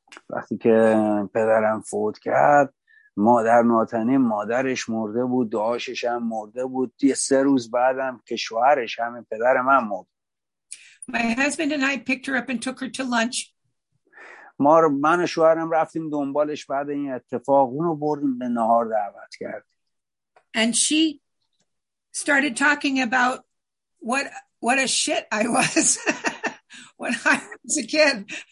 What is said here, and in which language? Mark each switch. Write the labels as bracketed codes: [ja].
[fa] وقتی که پدرم فوت کرد مادر ناتنیم مادرش مرده بود داشتش هم مرده بود یه سه روز بعدم که شوهرش همین پدر من مرد. [en] My husband and I picked her up and took her to lunch. [fa] من و شوهرم رفتیم دنبالش بعد این اتفاق اونو بردیم به نهار دعوت کرد. [en] And she started talking about what a shit I was when I was a kid.